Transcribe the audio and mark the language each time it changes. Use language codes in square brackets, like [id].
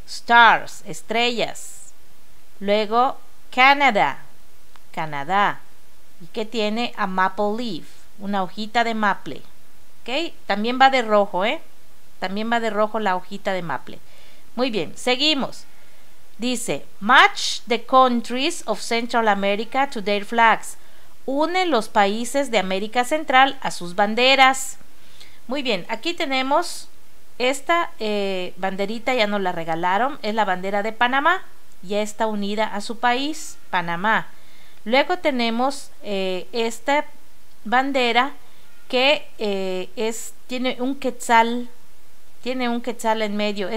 [es] Stars, estrellas. Luego Canada, Canadá. ¿Y qué tiene? [en] A maple leaf, [es] una hojita de maple. ¿Okay? También va de rojo, ¿eh? También va de rojo la hojita de maple. Muy bien, seguimos. Dice, [en] match the countries of Central America to their flags. [es] Une los países de América Central a sus banderas. Muy bien, aquí tenemos esta banderita, ya nos la regalaron. Es la bandera de Panamá, ya está unida a su país, Panamá. Luego tenemos esta bandera que tiene un quetzal en medio.